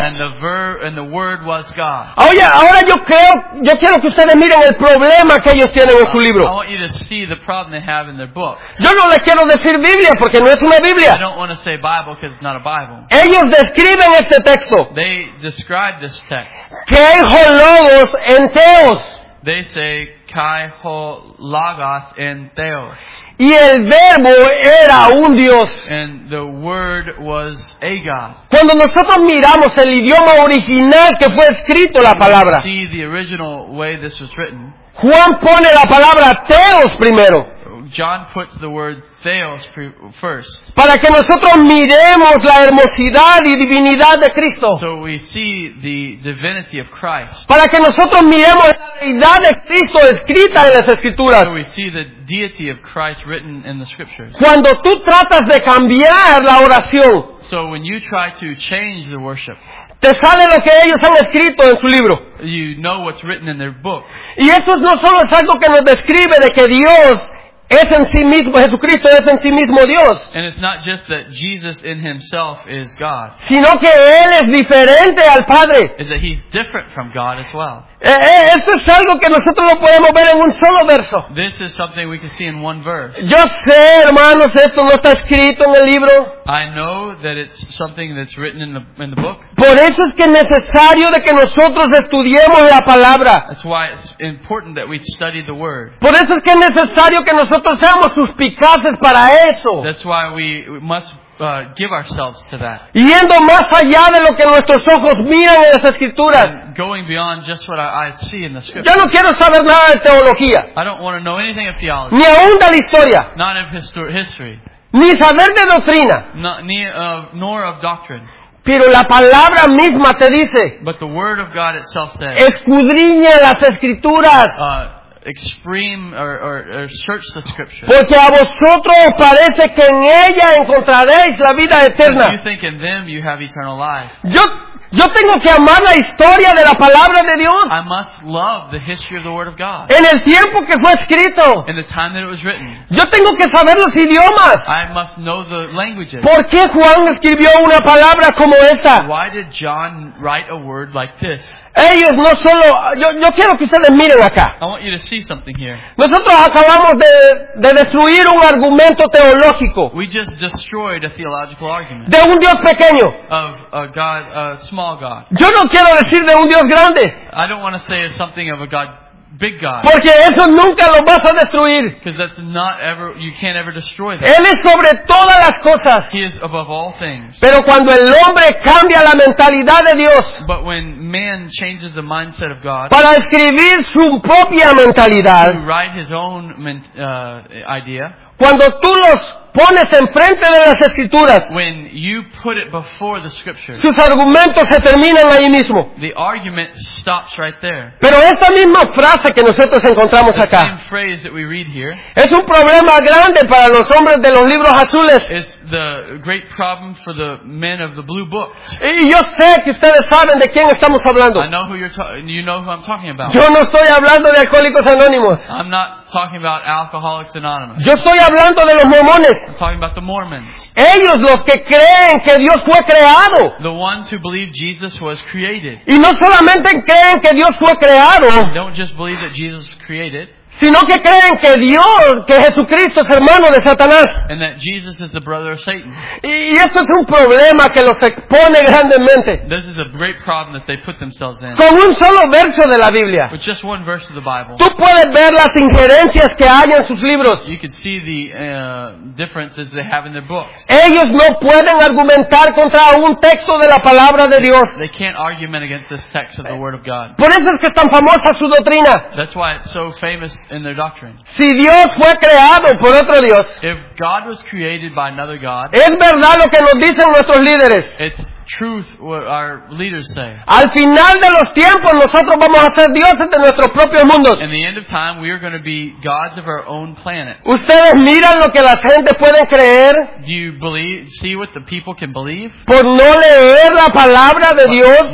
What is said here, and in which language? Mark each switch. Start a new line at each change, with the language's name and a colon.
English: And the word was God.
Spanish: Oye, ahora yo quiero que ustedes miren el problema que ellos tienen en su libro.
English: I want you to see the problem they have in their book.
Spanish: Yo no les quiero decir Biblia porque no es una Biblia.
English: I don't want to say Bible because it's not a Bible.
Spanish: Ellos describen este texto.
English: They describe this text.
Greek: Kai ho logos en Theos.
English: They say
Greek: Kai ho logos en Theos.
Spanish: Y el verbo era un Dios.
English: And the word was a God.
Spanish: Cuando nosotros miramos el idioma original que fue escrito la palabra,
English: see the original way this was written,
Spanish: Juan pone la palabra Theos primero.
English: John puts the word Theos first.
Spanish: Para que nosotros miremos la hermosidad y divinidad de Cristo.
English: So we see the divinity of Christ.
Spanish: Para que nosotros miremos la deidad de Cristo escrita en las Escrituras.
English: So we see the deity of Christ written in the Scriptures.
Spanish: Cuando tú tratas de cambiar la oración.
English: So when you try to change the worship.
Spanish: Te sale lo que ellos han escrito en su libro.
English: You know what's written in their book.
Spanish: Y esto no solo es algo que nos describe de que Dios es en sí mismo, Jesucristo es en sí mismo Dios.
English: And it's not just that Jesus in himself is God.
Spanish: Sino que Él es diferente al Padre.
English: Is that he's different from God as well.
Spanish: Esto es algo que nosotros no podemos ver en un solo verso.
English: This is something we can see in one verse.
Spanish: Yo sé, hermanos, esto no está escrito en el libro.
English: I know that it's something that's written in the book.
Spanish: Por eso es que es necesario de que nosotros estudiemos la palabra.
English: That's why it's important that we study the word.
Spanish: Por eso es que es necesario que nosotros seamos suspicaces para eso.
English: That's why we must give ourselves to that.
Spanish: Yendo más allá de lo que nuestros ojos miran en las Escrituras.
English: Going beyond just what our eyes see in the Scriptures.
Spanish: Yo no quiero saber nada de teología.
English: I don't want to know anything of theology.
Spanish: Ni aún de la historia.
English: Not of history.
Spanish: Ni saber de doctrina.
English: Nor of doctrine.
Spanish: Pero la palabra misma te dice.
English: But the word of God itself says.
Spanish: Escudriña las Escrituras.
English: Or search the scriptures.
Spanish: Porque a vosotros parece que en ella encontraréis la vida eterna.
English: You think in them you have eternal life.
Spanish: Yo tengo que amar la historia de la palabra de Dios.
English: I must love the history of the word of God.
Spanish: En el tiempo que fue escrito.
English: In the time that it was written.
Spanish: Yo tengo que saber los idiomas.
English: I must know the languages.
Spanish: ¿Por qué Juan escribió una palabra como esa?
English: Why did John write a word like this?
Spanish: Ellos no solo. Yo quiero que ustedes miren acá.
English: I want you to see something here.
Spanish: Nosotros acabamos de destruir un argumento teológico.
English: We just destroyed a theological argument.
Spanish: De un Dios pequeño.
English: Of a God, a small God.
Spanish: Yo no quiero decir de un Dios grande.
English: I don't want to say something of a God, big God.
Spanish: Porque eso nunca lo vas a destruir.
English: Because that's not ever, you can't ever destroy that.
Spanish: Él es sobre todas las cosas.
English: He is above all things.
Spanish: Pero cuando el hombre cambia la mentalidad de Dios.
English: But when man changes the mindset of God.
Spanish: Para escribir su propia mentalidad.
English: To write his own idea.
Spanish: Cuando tú los pones enfrente de las Escrituras,
English: when you put it before the Scriptures,
Spanish: sus argumentos se terminan ahí mismo.
English: The argument stops right there.
Spanish: Pero esta misma frase que nosotros encontramos acá,
English: the same phrase that we read here,
Spanish: es un problema grande para los hombres de los libros azules.
English: It's the great problem for the men of the blue books.
Spanish: Y yo sé que ustedes saben de quién estamos hablando.
English: I know who you're you know who I'm talking about.
Spanish: Yo no estoy hablando de Alcohólicos Anónimos.
English: I'm not talking about Alcoholics Anonymous.
Spanish: Yo estoy hablando de los mormones.
English: I'm talking about the Mormons.
Spanish: Ellos los que creen que Dios fue creado.
English: The ones who believe Jesus was created.
Spanish: Y no solamente creen que Dios fue creado.
English: Don't just believe that Jesus was created.
Spanish: sino que creen que Dios, que Jesucristo es hermano de Satanás.
English: And that Jesus is the brother of Satan.
Spanish: Y eso es un problema que los expone grandemente.
English: This is a great problem that they put themselves in.
Spanish: Con un solo verso de la Biblia.
English: With just one verse of the Bible.
Spanish: Tú puedes ver las injerencias que hay en sus libros.
English: You can see the differences they have in their books.
Spanish: Ellos no pueden argumentar contra un texto de la palabra de Dios.
English: They can't argument against this text of the word of God.
Spanish: Por eso es que es tan famosa su doctrina.
English: That's why it's so famous. In their doctrine.
Spanish: Si Dios fue creado por otro Dios,
English: if God was created by another God,
Spanish: es verdad lo que nos dicen nuestros líderes.
English: It's truth what our leaders say.
Spanish: Al final de los tiempos nosotros vamos a ser dioses de nuestros propios mundos.
English: In the end of time, we are going to be gods of our own planet.
Spanish: Ustedes miran lo que la gente puede creer.
English: Do you believe, see what the people can believe?
Spanish: Por no leer la palabra de Dios.